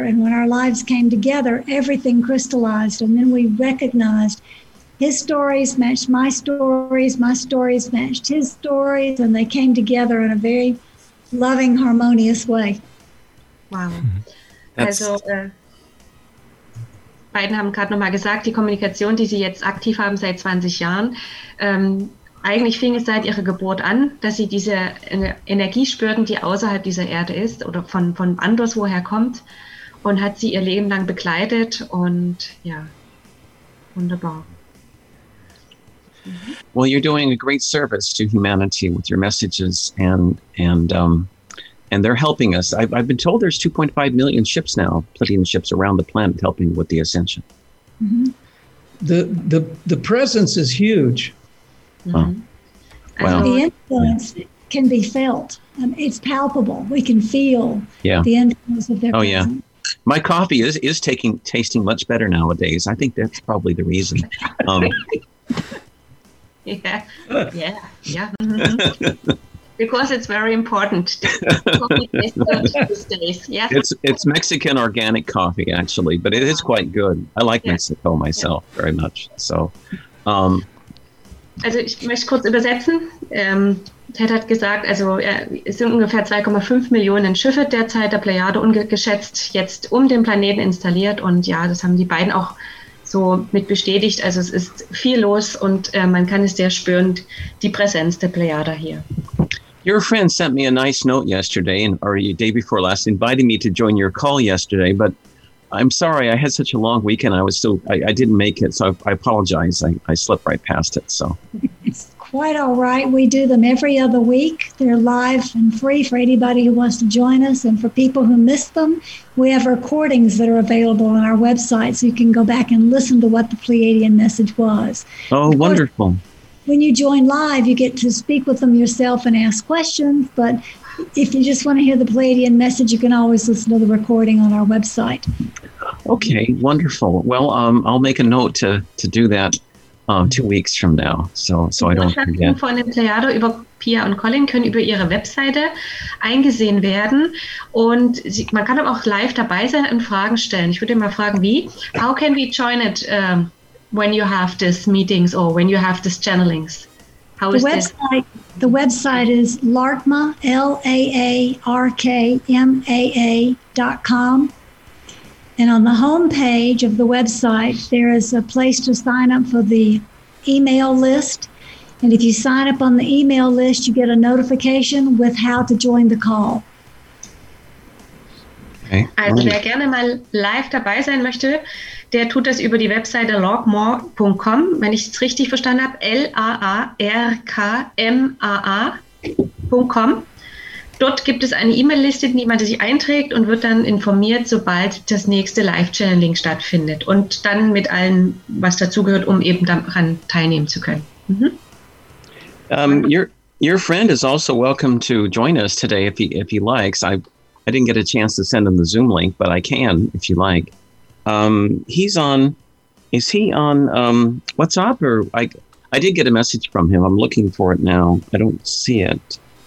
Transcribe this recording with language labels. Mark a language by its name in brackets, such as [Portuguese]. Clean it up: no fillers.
[English] And when our lives came together, everything crystallized. And then we recognized his stories matched my stories matched his stories, and they came together in a very loving, harmonious way. Wow. That's, also, [German] beiden haben gerade nochmal gesagt, die Kommunikation, die sie jetzt aktiv haben seit 20 Jahren, eigentlich fing es seit ihrer Geburt an, dass sie diese Energie spürten, die außerhalb dieser Erde ist oder von anderswoher kommt, und hat sie ihr Leben lang begleitet. Und ja, wunderbar. [English] Well, you're doing a great service to humanity with your messages, and they're helping us. I've been told there's 2.5 million ships now, Pleiadian ships around the planet, helping with the ascension. Mm-hmm. The presence is huge. Mm-hmm. Wow. The influence can be felt. It's palpable. We can feel the influence of their presence. Yeah. My coffee is tasting much better nowadays. I think that's probably the reason. Because it's very important. It's Mexican organic coffee, actually, but it is quite good. I like Mexico myself very much. So, [German] also ich möchte kurz übersetzen. Ted hat gesagt, also es sind ungefähr 2,5 Millionen Schiffe derzeit der Plejade ungeschätzt jetzt um den Planeten installiert, und ja, das haben die beiden auch so mit bestätigt. Also es ist viel los, und man kann es sehr spüren, die Präsenz der Plejada hier. [English] Your friend sent me a nice note yesterday, or the day before last, inviting me to join your call yesterday, but I'm sorry, I had such a long weekend, I didn't make it, so I apologize, I slipped right past it, so. It's quite all right, we do them every other week, they're live and free for anybody who wants to join us, and for people who miss them, we have recordings that are available on our website, so you can go back and listen to what the Pleiadian message was. Oh, wonderful. When you join live, you get to speak with them yourself and ask questions, but if you just want to hear the Pleiadian message, you can always listen to the recording on our website. Okay, wonderful. Well, I'll make a note to do that 2 weeks from now, so I don't forget. [German] Botschaften von den Plejado über Pia und Colin können über ihre Webseite eingesehen werden, und man kann aber auch live dabei sein und Fragen stellen. Ich würde mal fragen, wie? [English] How can we join it when you have these meetings or when you have these channelings? How is website, the website is LARKMA, LARKMAA.com. And on the home page of the website, there is a place to sign up for the email list. And if you sign up on the email list, you get a notification with how to join the call. Okay. [German] Also wer gerne mal live dabei sein möchte, der tut das über die Webseite larkmaa.com, wenn ich es richtig verstanden habe, LARKMAA.com. Dort gibt es eine E-Mail-Liste, in die man sich einträgt und wird dann informiert, sobald das nächste Live-Channeling stattfindet, und dann mit allem, was dazugehört, um eben daran teilnehmen zu können. Mhm. [English] Your friend is also welcome to join us today if he likes. I didn't get a chance to send him the Zoom link, but I can if you like. Is he on WhatsApp? Or I did get a message from him. I'm looking for it now. I don't see it.